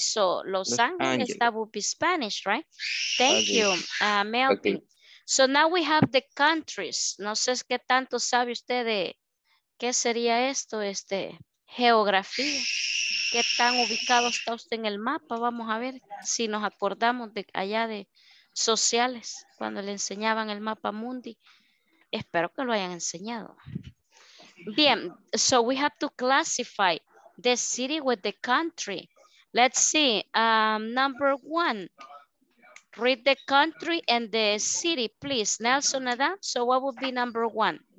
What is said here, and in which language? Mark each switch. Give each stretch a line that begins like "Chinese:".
English: So Los Angeles, Angeles, that would be Spanish, right? Thank you, Melvin. Okay. So now we have the countries.
Spanish: No sé qué tanto sabe usted de qué sería esto, este, geografía. Qué tan ubicado está usted en el mapa. Vamos a ver si nos acordamos de allá de sociales, cuando le enseñaban el mapa mundi. Espero que lo hayan enseñado.
English: Bien, so we have to classify the city with the country. Let's see, number one, read the country and the city, please. Nelson Adam, so what would be number one?